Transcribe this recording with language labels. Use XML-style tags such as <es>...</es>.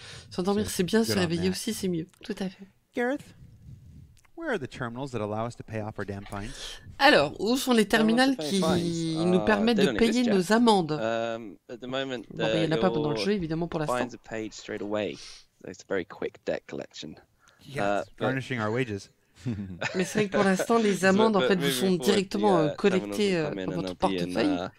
<fr>S'endormir, c'est bien, se réveiller aussi, c'est mieux. Tout à fait.</fr> <en>Gareth, where are the terminals that allow us to pay off our damn fines?</en> <fr>Alors, où sont les terminales qui nous permettent de payer nos amendes? Il n'y en a pas pendant le jeu, évidemment, pour l'instant.</fr> <en>Fines are paid straight away. It's a very quick debt collection. Yes, garnishing our wages.</en> <fr>Mais c'est vrai que pour l'instant, les amendes en fait vous sont directement collectées dans votre portefeuille.</fr>